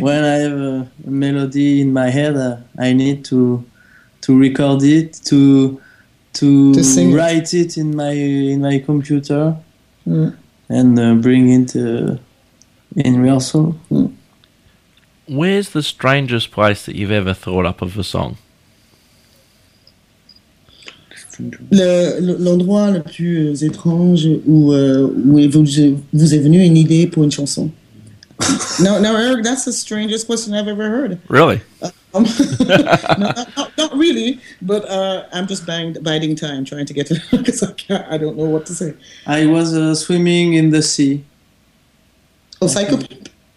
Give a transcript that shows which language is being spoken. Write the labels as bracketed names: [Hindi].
[English] When I have a melody in my head, I need to record it, to write it in my computer, and bring it in rehearsal. Where's the strangest place that you've ever thought up of a song? [French] L'endroit le plus étrange où vous est venu une idée pour une chanson. [English] No, Eric, that's the strangest question I've ever heard. Really? not really, but I'm just biding time trying to get it because I don't know what to say. I was swimming in the sea. Oh, Psycho Pimp?